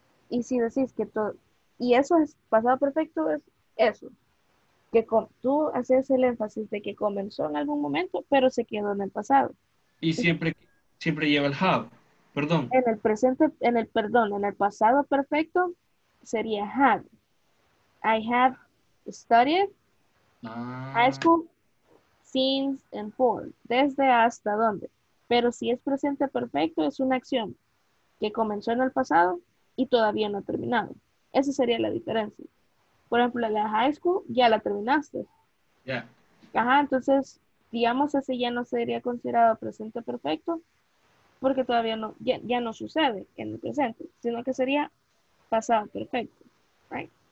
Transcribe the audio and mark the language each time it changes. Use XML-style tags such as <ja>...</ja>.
<es>Y si decís que todo, y eso es pasado perfecto, es eso. Que tú haces el énfasis de que comenzó en algún momento, pero se quedó en el pasado. Y siempre lleva el have. Perdón. En el presente, en el, perdón, en el pasado perfecto sería have.</es> <en>I have studied high school since and for.</en> <es>¿Desde hasta dónde? Pero si es presente perfecto, es una acción que comenzó en el pasado y todavía no ha terminado. Esa sería la diferencia. Por ejemplo, la high school, ya la terminaste. Ya.</es> <en>Yeah.</en> <es>Ajá, entonces, digamos, ese ya no sería considerado presente perfecto, porque todavía no, ya no sucede en el presente, sino que sería pasado perfecto, right?</es>